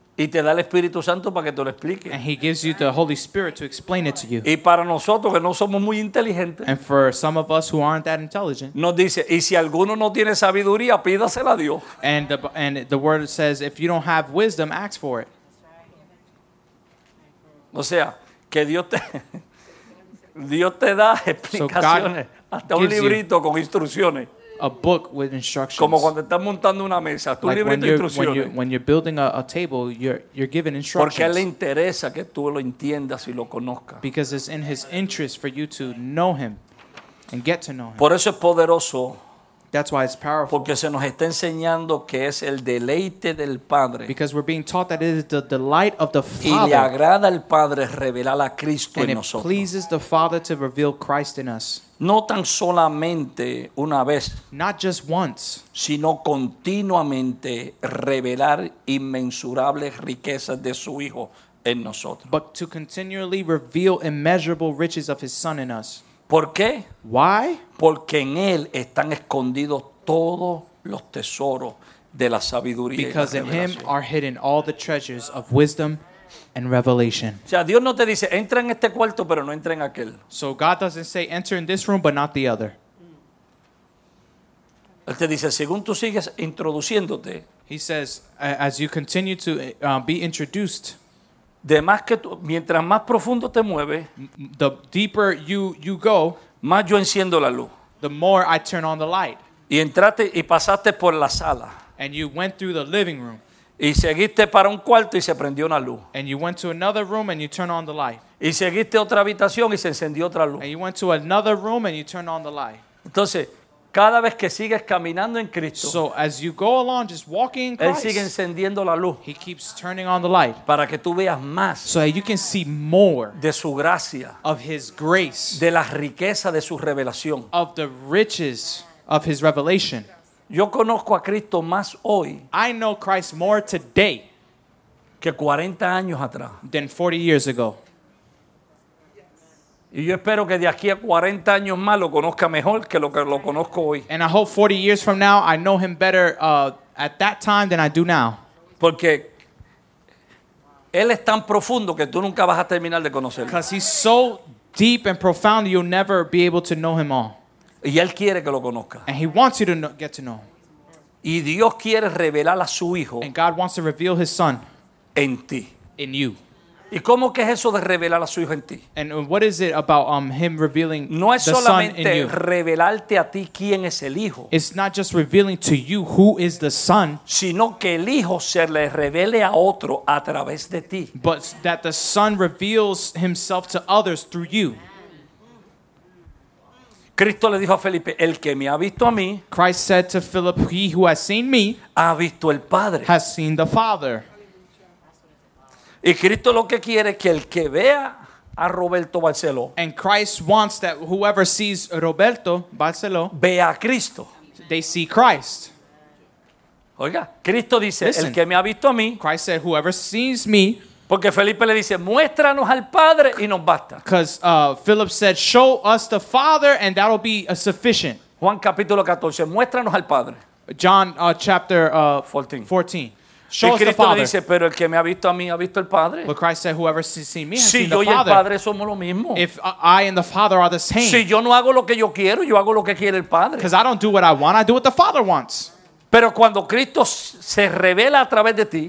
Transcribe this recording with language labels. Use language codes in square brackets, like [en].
[es] Y te da el Espíritu Santo para que te lo explique. [en] And he gives you the Holy Spirit to explain it to you. [es] Y para nosotros que no somos muy inteligentes. [en] And for some of us who aren't that intelligent. [es] Nos dice, y si alguno no tiene sabiduría, pídasela a Dios. [en] And the word says, if you don't have wisdom, ask for it. [es] O sea, que Dios te da explicaciones. [en] So [es] hasta un librito con instrucciones. [en] A book with instructions. [es] Como cuando estás montando una mesa, tu [en] like [es] librito de instrucciones. [en] When you're building a table, you're given instructions. [es] Porque a él le interesa que tú lo entiendas y lo conozcas. [en] Because it's in his interest for you to know him and get to know him. [es] Por eso es poderoso. [en] That's why it's powerful. [es] Porque se nos está enseñando que es el deleite del Padre. [en] Because we're being taught that it is the delight of the Father. [es] Y le agrada al Padre revelar a Cristo en nosotros. [en] And it pleases the Father to reveal Christ in us. [es] No tan solamente una vez, [en] not just once, [es] sino continuamente revelar inmensurables riquezas de su Hijo en nosotros. [en] But to continually reveal immeasurable riches of His Son in us. [es] ¿Por qué? [en] Why? [es] Porque en Él están escondidos todos los tesoros de la sabiduría. [en] Because [es] y la [en] in Him are hidden all the treasures of wisdom and revelation. [es] O sea, Dios no te dice, entra en este cuarto, pero no entra en aquel. [en] So God doesn't say, enter in this room, but not the other. [es] Él te dice, según tú sigues introduciéndote. [en] He says, as you continue to be introduced. [es] De más que tú, mientras más profundo te mueves. [en] The deeper you go. [es] Más yo enciendo la luz. [en] the more I turn on the light. [es] Y entraste y pasaste por la sala. [en] And you went through the living room. [es] Y seguiste para un cuarto y se prendió una luz. [en] And you went to another room and you turned on the light. [es] Y seguiste otra habitación y se encendió otra luz. [en] And you went to another room and you turned on the light. [es] Entonces, cada vez que sigues caminando en Cristo, [en] so as you go along, just walking in Christ, [es] Él sigue encendiendo la luz. [en] He keeps turning on the light. [es] Para que tú veas más. [en] So that you can see more. [es] De su gracia. [en] Of his grace. [es] De la riqueza de su revelación. [en] Of the riches of his revelation. [es] Yo conozco a Cristo más hoy. [en] I know Christ more today. [es] Que 40 años atrás. [en] Than 40 years ago. [es] Y yo espero que de aquí a 40 años más lo conozca mejor que lo que lo conozco hoy. [en] And I hope 40 years from now I know him better at that time than I do now. [es] Porque él es tan profundo que tú nunca vas a terminar de conocerlo. [en] Because he's so deep and profound you'll never be able to know him all. [es] Y él quiere que lo conozca. [en] And he wants you to know, get to know [es] him. Y Dios quiere revelar a su hijo. [en] And God wants to reveal his son [es] en ti. [en] In you. [es] ¿Y cómo que es eso de revelar a su hijo en ti? [en] And what is it about him revealing [es] no [en] the son in you? [es] No es solamente revelarte a ti quién es el hijo. [en] It's not just revealing to you who is the son. [es] Sino que el hijo se le revele a otro a través de ti. [en] But that the son reveals himself to others through you. [es] Cristo le dijo a Felipe, el que me ha visto a mí, [en] Christ said to Philip, he who has seen me, [es] ha visto el Padre. [en] Has seen the Father. [es] Y Cristo lo que quiere es que el que vea a Roberto Barceló, [en] and Christ wants that whoever sees Roberto Barceló, [es] vea a Cristo. [en] They see Christ. [es] Oiga, Cristo dice, listen, el que me ha visto a mí, [en] Christ said, whoever sees me, [es] porque Felipe le dice, muéstranos al Padre y nos basta. [en] Because Philip said, show us the Father and that will be sufficient. [es] Juan capítulo 14, muéstranos al Padre. [en] John chapter 14. 14. Show [es] y Cristo [en] us the Father. [es] Dice, pero el que me ha visto a mí ha visto el Padre. [en] But Christ said, whoever has seen me has [es] si [en] seen the [es] yo y [en] Father. [es] El Padre somos lo mismo. [en] If I and the Father are the same. [es] Si yo no hago lo que yo quiero, yo hago lo que quiere el Padre. [en] Because I don't do what I want, I do what the Father wants. [es] Pero cuando Cristo se revela a través de ti,